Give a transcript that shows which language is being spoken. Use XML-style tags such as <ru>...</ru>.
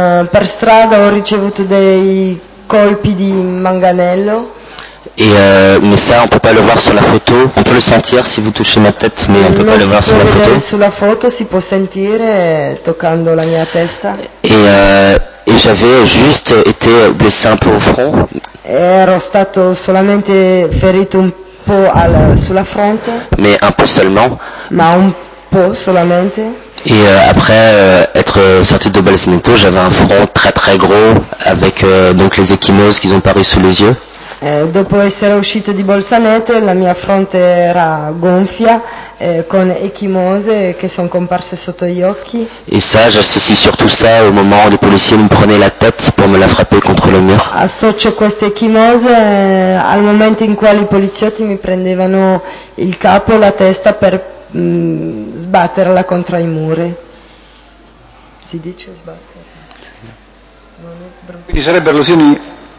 <it>Per strada ho ricevuto dei colpi di manganello.</it> <fr>Mais ça, on peut pas le voir sur la photo. On peut le sentir si vous touchez ma tête, mais on peut pas le voir sur la photo.</fr> <it>Sulla foto si può sentire toccando la mia testa.</it> <fr>Et j'avais juste été blessé un peu au front.</fr> <it>Ero stato solamente ferito un po' sulla fronte.</it> <fr>Mais un peu seulement.</fr> <it>Ma un po' solamente.</it> <fr>Et après être sorti de Balsamento, j'avais un front très très gros avec donc les ecchymoses qui ont paru sous les yeux.</fr> <it>Dopo essere uscito di Bolzanete la mia fronte era gonfia con ecchimose che sono comparse sotto gli occhi.</it> <fr>E ça, j'associe surtout ça au moment où les policiers me prenaient la tête pour me la frapper contre le mur.</fr> <it>Associo queste ecchimose al momento in cui i poliziotti mi prendevano il capo, la testa per sbatterla contro i muri. Si dice sbattere? Quindi sarebbero lesioni</it>